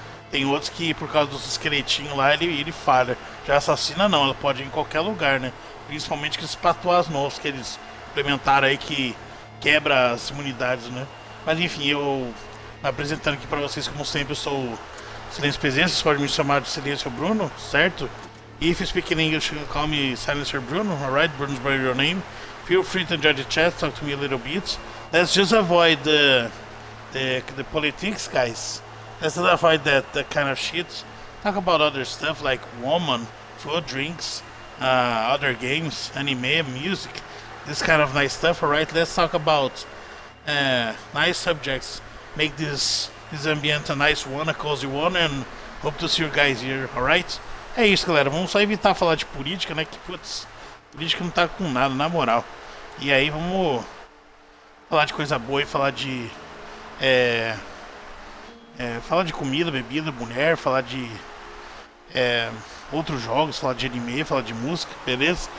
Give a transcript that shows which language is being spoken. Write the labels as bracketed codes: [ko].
[pt] Tem outros que, por causa dos esqueletinhos lá, ele falha. Já assassina não, ela pode ir em qualquer lugar, né? Principalmente com esses patuás novos que eles implementaram aí, que quebra as imunidades, né? Mas enfim, eu apresentando aqui pra vocês, como sempre, eu sou o Silêncio Presença, vocês podem me chamar de Silêncio Bruno, certo? [en] If you speak in English, you can call me Silencer Bruno, alright? Bruno's by your name. Feel free to enjoy the chat, talk to me a little bit. Let's just avoid the politics, guys. Let's just avoid that kind of shit. Talk about other stuff like woman, food, drinks, other games, anime, music. This kind of nice stuff, alright? Let's talk about nice subjects. Make this ambiente a nice one, a cozy one, and hope to see you guys here, alright? [pt] É isso, galera. Vamos só evitar falar de política, né? Que, putz, política não tá com nada, na moral. E aí, vamos falar de coisa boa e falar de... falar de comida, bebida, mulher, falar de... outros jogos, falar de anime, falar de música, beleza?